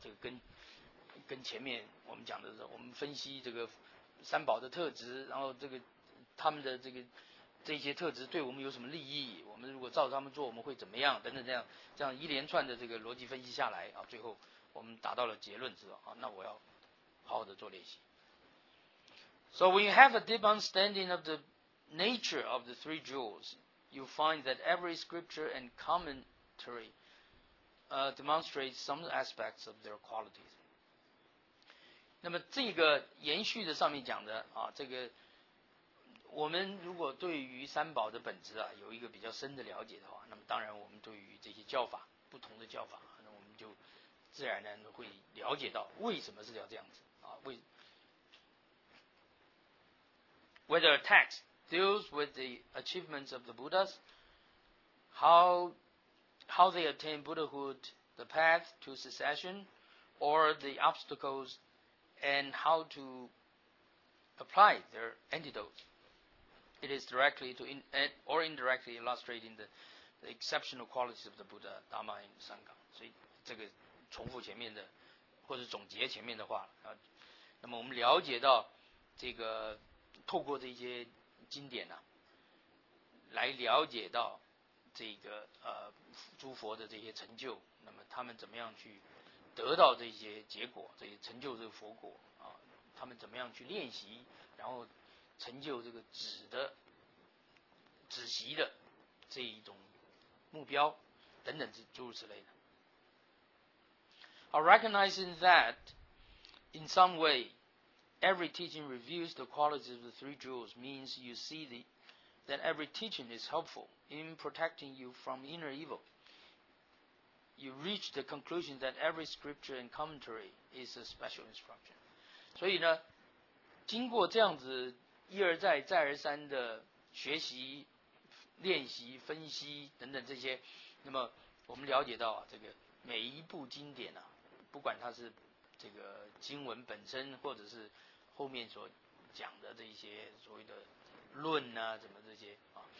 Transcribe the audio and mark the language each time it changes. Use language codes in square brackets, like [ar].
[zh] 这个跟前面我们讲的时候，我们分析这个三宝的特质，然后这个他们的这个这些特质对我们有什么利益，我们如果照他们做我们会怎么样等等，这样一连串的这个逻辑分析下来啊，最后我们达到了结论之后啊，那我要好好的做练习。 [en] So when you have a deep understanding of the nature of the three jewels, you find that every scripture and commentary, demonstrates some aspects of their qualities. [zh] 那么这个延续的上面讲的啊，这个我们如果对于三宝的本质啊有一个比较深的了解的话，那么当然我们对于这些教法，不同的教法，那我们就自然呢会了解到为什么是要这样子啊，为。 [en] Whether a text deals with the achievements of the Buddhas, how they attain Buddhahood, the path to succession, or the obstacles, and how to apply their antidotes. It is directly to or indirectly illustrating the exceptional qualities of the Buddha, Dhamma, and Sangha. [zh] 所以这个重复前面的，或者总结前面的话啊，那么我们了解到这个。透过这些经典呢、啊，来了解到这个诸佛的这些成就，那么他们怎么样去得到这些结果，这些成就这个佛果啊？他们怎么样去练习，然后成就这个止息的这一种目标等等诸如此类的。 [en] I recognizing that in some way. Every teaching reveals the qualities of the three jewels means you see that every teaching is helpful in protecting you from inner evil. You reach the conclusion that every scripture and commentary is a special instruction. [zh] 所以呢，经过这样子一而再、再而三的学习、练习、分析等等这些，那么我们了解到啊，这个每一部经典啊，不管它是这个经文本身，或者是后面所讲的这些所谓的论啊，怎么这些啊？